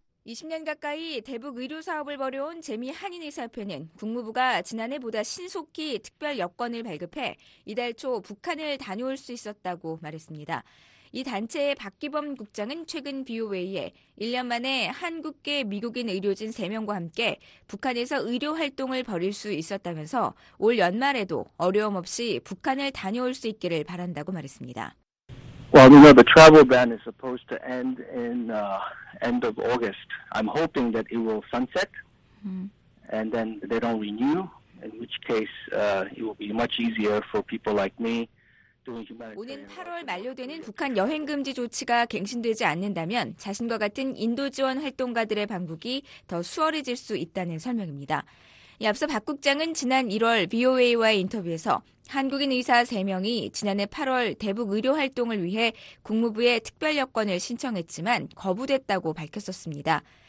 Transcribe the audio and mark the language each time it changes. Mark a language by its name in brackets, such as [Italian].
[Korean] 20년 가까이 대북 의료 사업을 벌여온 재미 한인의사협회는 국무부가 지난해보다 신속히 특별 여권을 발급해 이달 초 북한을 다녀올 수 있었다고 말했습니다. 이 단체의 박기범 국장은 최근 BOA에 1년 만에 한국계 미국인 의료진 3명과 함께 북한에서 의료 활동을 벌일 수 있었다면서 올 연말에도 어려움 없이 북한을 다녀올 수 있기를 바란다고 말했습니다. [English] Well, you know, the travel ban is supposed to end in end of August. I'm hoping that it will sunset and then they don't renew, in which case it will be much easier for people like me. [Korean] 오는 8월 만료되는 북한 여행 금지 조치가 갱신되지 않는다면 자신과 같은 인도 지원 활동가들의 방북이 더 수월해질 수 있다는 설명입니다. 앞서 박 국장은 지난 1월 VOA와의 인터뷰에서 한국인 의사 3명이 지난해 8월 대북 의료 활동을 위해 국무부에 특별 여권을 신청했지만 거부됐다고 밝혔었습니다.